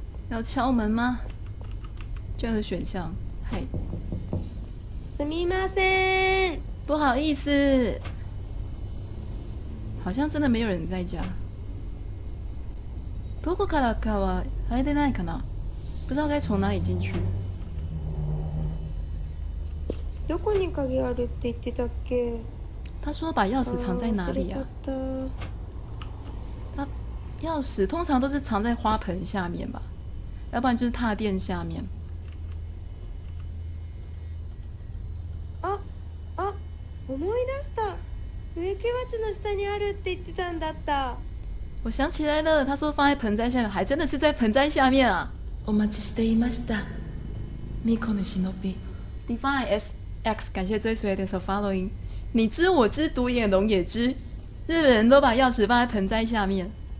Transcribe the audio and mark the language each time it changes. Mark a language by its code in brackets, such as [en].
[zh] 要敲门吗？这样的选项，嗨。 [ja] すみません。 [zh] 不好意思，好像真的没有人在家。 [ja] どこからかは入れないかな。 [zh] 不知道该从哪里进去。 [ja] どこに鍵あるって言ってたっけ？ [zh] 他说把钥匙藏在哪里呀、啊？他钥匙通常都是藏在花盆下面吧？要不然就是踏垫下面。 [ja] あ、あ、思い出した。植木鉢の下にあるって言ってたんだった。 [zh] 我想起来了，他说放在盆栽下面，还真的是在盆栽下面啊。 [ja] お待ちしていました。巫女の忍び。 [zh] Divine S X， 感谢追随的 [en] so following。 [zh] 你知我知，独眼龙也知。日本人都把钥匙放在盆栽下面。